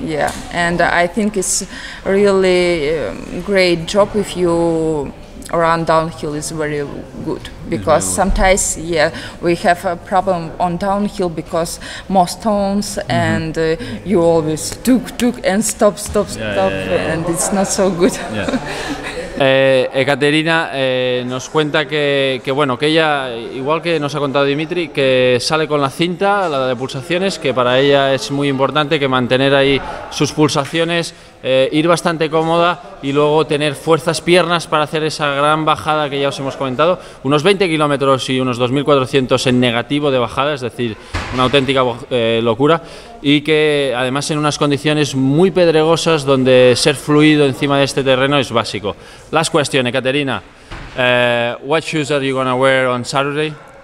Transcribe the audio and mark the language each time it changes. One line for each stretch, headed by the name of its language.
English: Yeah, and I think it's really great job if you run downhill is very good, because sometimes we have a problem on downhill because more stones and you always took and stop and it's not so good.
Spanish: Ekaterina nos cuenta que bueno, que ella, igual que nos ha contado Dimitri, que sale con la cinta, la de pulsaciones, que para ella es muy importante que mantener ahí sus pulsaciones, ir bastante cómoda y luego tener fuerzas piernas para hacer esa gran bajada que ya os hemos comentado, unos 20 kilómetros y unos 2.400 en negativo de bajada, es decir, una auténtica locura, y que además en unas condiciones muy pedregosas donde ser fluido encima de este terreno es básico.
English: Last question, Ekaterina. What shoes are you gonna wear on Saturday?